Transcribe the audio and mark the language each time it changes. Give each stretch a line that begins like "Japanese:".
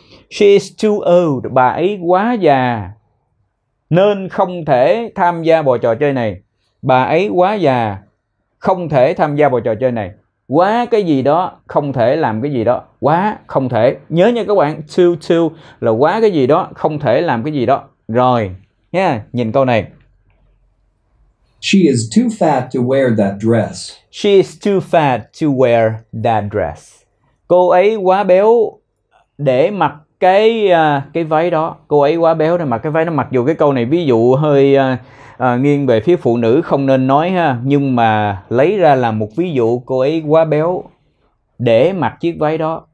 English: She is too old,
Vietnamese: bà ấy quá già nên không thể tham gia bộ trò chơi này. Bà ấy quá già, không thể tham gia bộ trò chơi này. Quá cái gì đó, không thể làm cái gì đó. Quá, không thể. Nhớ nha các bạn, too là quá cái gì đó, không thể làm cái gì đó. Rồi, nha, nhìn câu này.
English: She is too fat to wear that dress. She is too fat to wear that dress.
Vietnamese: Cô ấy quá béo để mặc cái váy đó. Cô ấy quá béo để mặc cái váy đó. Mặc dù cái câu này ví dụ hơi nghiêng về phía phụ nữ, không nên nói ha, nhưng mà lấy ra là một ví dụ, cô ấy quá béo để mặc chiếc váy đó.